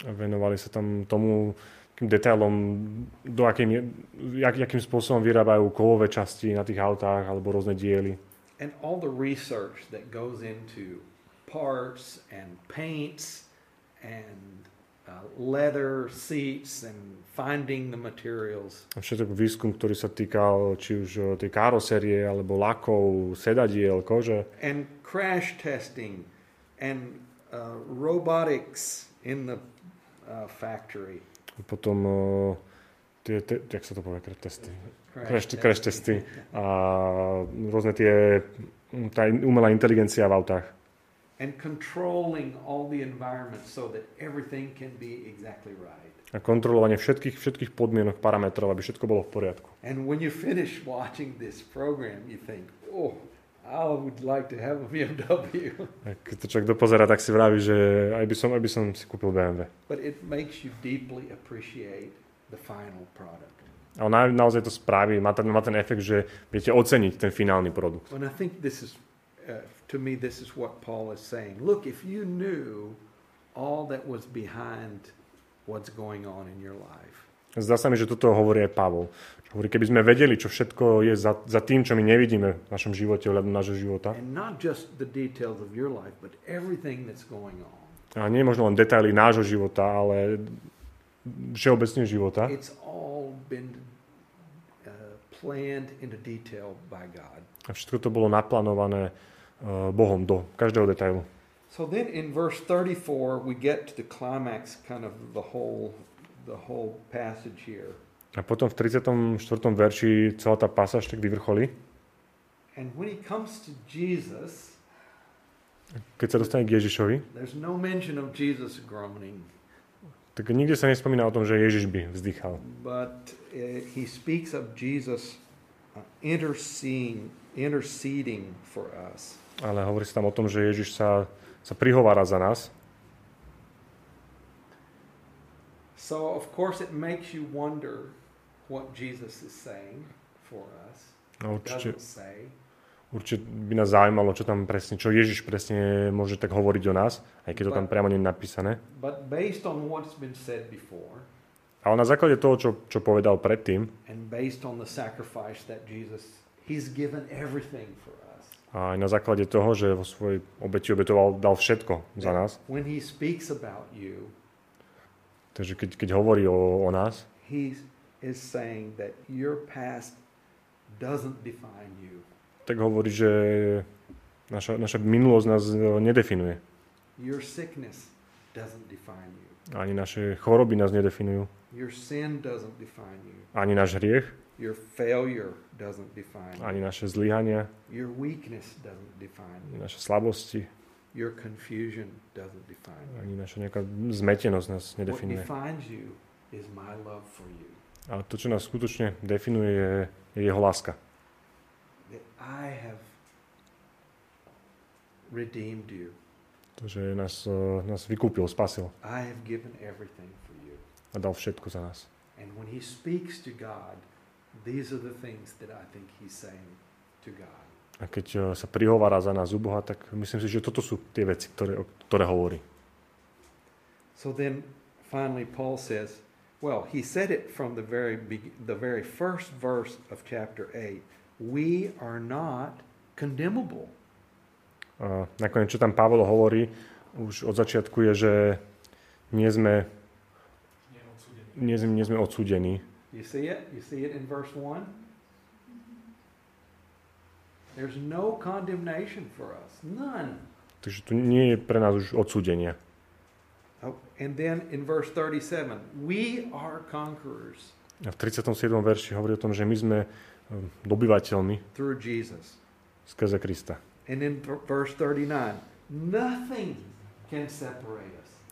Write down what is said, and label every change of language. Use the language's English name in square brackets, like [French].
[Slovak] Venovali sa tam tomu takým detailom, do akým spôsobom vyrábajú kovové časti na tých autách alebo rôzne diely. [English] And all the research that goes into parts and paints and leather seats and finding the materials. [Slovak] Všetok výskum, ktorý sa týkal či už tej karosérie alebo lakov, sedadiel, kože. [English] And crash testing and robotics in the factory. [Slovak] Potom jak sa to povie, crash testy a rôzne tie tá umelá inteligencia v autách. [English] And controlling all the environment so that everything can be exactly right. [Slovak] A kontrolovanie všetkých podmienok, parametrov, aby všetko bolo v poriadku. [English] And when you finish watching this program, you think, oh, I would like to have a BMW. [Slovak] Keď to človek dopozerá, tak si vraví, že aj by som si kúpil BMW. [English] But it makes you deeply appreciate the final product. [Slovak] A naozaj to spraví, má ten efekt, že viete oceniť ten finálny produkt. [English] And I think this is to me, this is what Paul is saying. Look, if you knew all that was behind what's going on in your life. [Slovak] Zdá sa mi, že toto hovorí aj Pavol. Hovorí, keby sme vedeli, čo všetko je za tým, čo my nevidíme v našom živote, v hľadom nášho života. [English] And not just the details of your life, but everything that's going on. [Slovak] A nie možno len detaily nášho života, ale všeobecne života. [English] It's all been planned into detail by God. [Slovak] A všetko to bolo naplánované Bohom do každého detailu. [English] So then in verse 34 we get to the climax kind of the whole passage here. [Slovak] A potom v 34. verši celá tá pasáž tak vyvrcholí. [English] And when he comes to Jesus, [Slovak] keď sa dostane k Ježišovi, [English] there's no mention of Jesus groaning. [Slovak] Tak nikde sa nespomína o tom, že Ježiš by vzdychal. [English] But he speaks of Jesus interceding for us. [Slovak] Ale hovorí sa tam o tom, že Ježiš sa prihovára za nás. [English] So of course it makes you wonder what Jesus is saying for us. [Slovak] No, určite by nás zaujímalo, čo Ježiš presne môže tak hovoriť o nás, aj keď to tam priamo nie je napísané. [English] But based on what's been said before, [Slovak] ale na základe toho, čo povedal predtým, [English] and based on the sacrifice that Jesus he's given everything for us. [Slovak] A aj na základe toho, že vo svojej obeti obetoval, dal všetko za nás. [English] When he speaks about you, [Slovak] takže keď hovorí o nás, [English] he is saying that your past doesn't define you. [Slovak] Tak hovorí, že naša minulosť nás nedefinuje. [English] Your sickness doesn't define you. [Slovak] Ani naše choroby nás nedefinujú. [English] Your sin doesn't define you. [Slovak] Ani náš hriech. [English] Your failure doesn't define you. [Slovak] Ani naše zlyhania. [English] Your weakness doesn't define you. [Slovak] Naše slabosti. [English] Your confusion doesn't define you. [Slovak] Ani naša nejaká zmetenosť nás nedefinuje. [English] What defines you is my love for you. [Slovak] A to, čo nás skutočne definuje, je jeho láska. [English] That I have redeemed you. [Slovak] To, že nás vykúpil, spasil. [English] I have given everything for you. [Slovak] A dal všetko za nás. [English] And when he speaks to God, these are the things that I think he's saying to God. [Slovak] A keď sa prihovára za nás u Boha, tak myslím si, že toto sú tie veci, ktoré hovorí. [English] So then finally Paul says, well, he said it from the very first verse of chapter 8. We are not condemnable. [Slovak] Nakoniec, čo tam Pavol hovorí, už od začiatku je, že nie sme odsúdení. [English] You see it? You see it in verse 1? There's no condemnation for us. None. [Slovak] Takže tu nie je pre nás už odsúdenia. [English] Oh, and then in verse 37, we are conquerors. [Slovak] A v 37. verši hovorí o tom, že my sme dobyvateľmi [English] through Jesus. [Slovak] Skrze Krista. [English] And in verse 39, nothing can separate us.